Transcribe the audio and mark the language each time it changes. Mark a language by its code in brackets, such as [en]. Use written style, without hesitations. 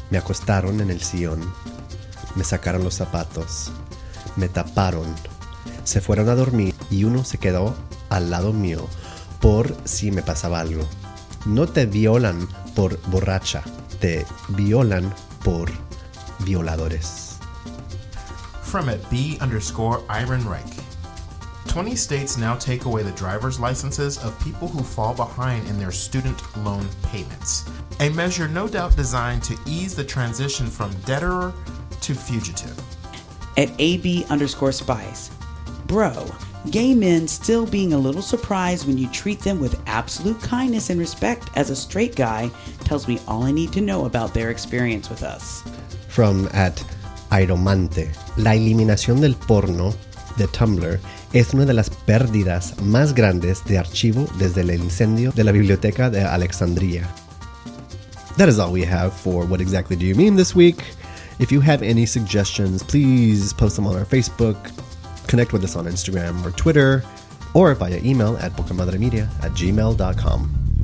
[es] Me acostaron en el sillón, me sacaron los zapatos, me taparon, se fueron a dormir y uno se quedó al lado mío por si me pasaba algo. No te violan por borracha, te violan por violadores. [en] From @B_IronReich. 20 states now take away the driver's licenses of people who fall behind in their student loan payments. A measure no doubt designed to ease the transition from debtor to fugitive. @AB_Spice. Bro, gay men still being a little surprised when you treat them with absolute kindness and respect as a straight guy, tells me all I need to know about their experience with us. From at [es] Aeromante, la eliminación del porno de Tumblr es una de las pérdidas más grandes de archivo desde el incendio de la Biblioteca de Alexandria. [en] That is all we have for What Exactly Do You Mean this week. If you have any suggestions, please post them on our Facebook, connect with us on Instagram or Twitter, or via email at bocamadremedia@gmail.com.